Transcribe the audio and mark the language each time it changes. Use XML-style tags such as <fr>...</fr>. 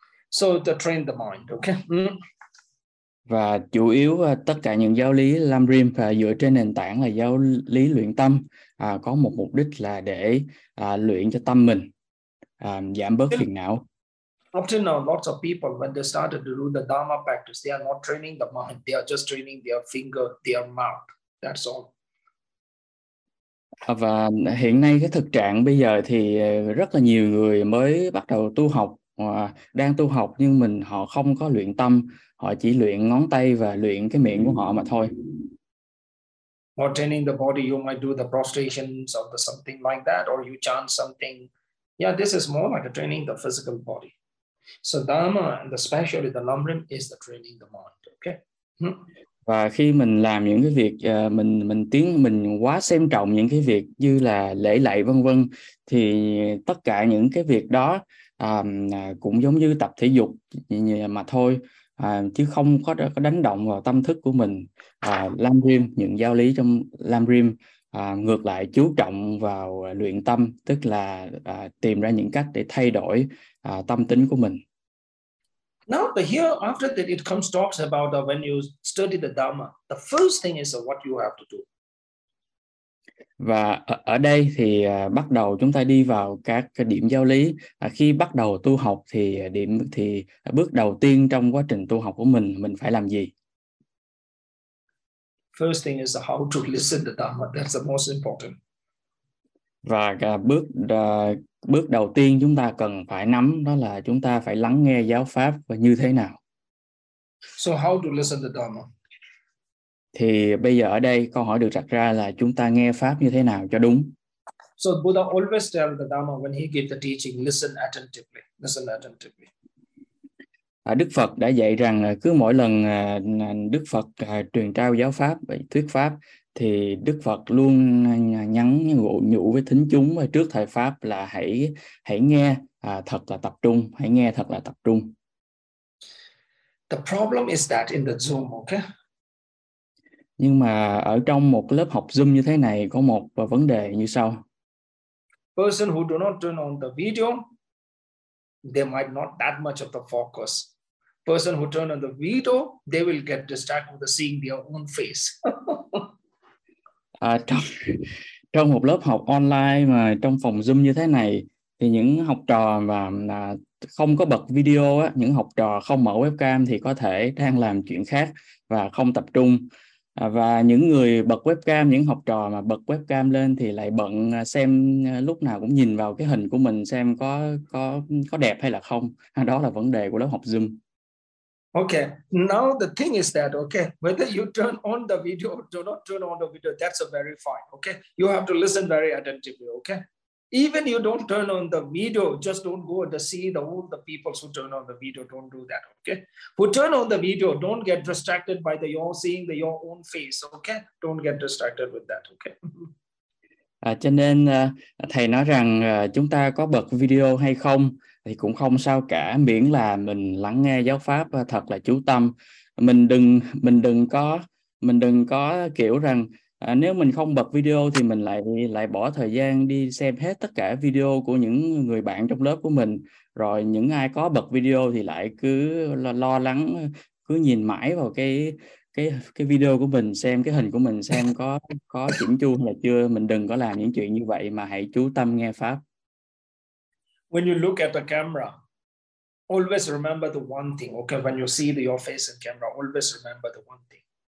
<en>So to train the mind, okay?</en> <vi>Và chủ yếu tất cả những giáo lý Lam Rim dựa trên nền tảng là giáo lý luyện tâm, có một mục đích là để luyện cho tâm mình giảm bớt phiền não.</vi> <en>Up to now, lots of people, when they started to do the Dharma practice, they are not training the mind. They are just training their finger, their mouth. That's all.</en> <vi>Và hiện nay cái thực trạng bây giờ thì rất là nhiều người mới bắt đầu tu học, đang tu học nhưng mình họ không có luyện tâm. Họ chỉ luyện ngón tay và luyện cái miệng của họ mà thôi.</vi> <en>Or training the body, you might do the prostrations or the something like that, or you chant something. Yeah, this is more like a training the physical body. So Dharma, and especially the Lam Rim, is the training the mind, okay?</en> <vi>Và khi mình làm những cái việc mình quá xem trọng những cái việc như là lễ lạy vân vân, thì tất cả những cái việc đó cũng giống như tập thể dục mà thôi, chứ không có đánh động vào tâm thức của mình. Lam Rim, những giáo lý trong Lam Rim ngược lại chú trọng vào luyện tâm, tức là tìm ra những cách để thay đổi tâm tính của mình.</vi> <en>Now, but here after that, it comes talks about when you study the Dharma, the first thing is what you have to do.</en> <vi>Và ở đây thì bắt đầu chúng ta đi vào các điểm giáo lý. Khi bắt đầu tu học thì bước đầu tiên trong quá trình tu học của mình phải làm gì?</vi> <en>First thing is how to listen to Dharma. That's the most important.</en> <vi>Và bước đầu tiên chúng ta cần phải nắm đó là chúng ta phải lắng nghe giáo pháp và như thế nào.</vi> <en>So how to listen to Dharma?</en> <vi>Thì bây giờ ở đây câu hỏi được đặt ra là chúng ta nghe pháp như thế nào cho đúng.</vi> <en>So Buddha always tell the Dharma when he gives the teaching, listen attentively. Listen attentively.</en> <vi>Đức Phật đã dạy rằng cứ mỗi lần Đức Phật truyền trao giáo pháp, thuyết pháp, thì Đức Phật luôn nhắn nhủ với thính chúng trước thời pháp là hãy nghe thật là tập trung, hãy nghe thật là tập trung.</vi> <en>The problem is that in the Zoom, okay?</en> <vi>Nhưng mà ở trong một lớp học Zoom như thế này có một vấn đề như sau.</vi> <en>Person who do not turn on the video, they might not that much of the focus. Person who turn on the video, they will get distracted with seeing their own face.</en> <vi>trong một lớp học online mà trong phòng Zoom như thế này thì những học trò mà không có bật video á, những học trò không mở webcam thì có thể đang làm chuyện khác và không tập trung. Và những người bật webcam, những học trò mà bật webcam lên thì lại bận xem lúc nào cũng nhìn vào cái hình của mình xem có đẹp hay là không. Đó là vấn đề của lớp học Zoom.</vi> <en>Okay, now the thing is that, okay, whether you turn on the video or do not turn on the video, that's a very fine, okay? You have to listen very attentively, okay? Even you don't turn on the video, just don't go and see all the people who turn on the video. Don't do that, okay? Who turn on the video, don't get distracted by your own face, okay? Don't get distracted with that, okay?</en> <vi>Cho nên thầy nói rằng chúng ta có bật video hay không thì cũng không sao cả, miễn là mình lắng nghe giáo pháp thật là chú tâm. Mình đừng có kiểu rằng nếu mình không bật video thì mình lại bỏ thời gian đi xem hết tất cả video của những người bạn trong lớp của mình, rồi những ai có bật video thì lại cứ lo lắng, cứ nhìn mãi vào cái video của mình, xem cái hình của mình xem có chỉnh chu hay là chưa. Mình đừng có làm những chuyện như vậy mà hãy chú tâm nghe pháp.</vi> <en>When you look at the camera, always remember the one thing, okay? When you see your face in camera, always remember the one thing.</en>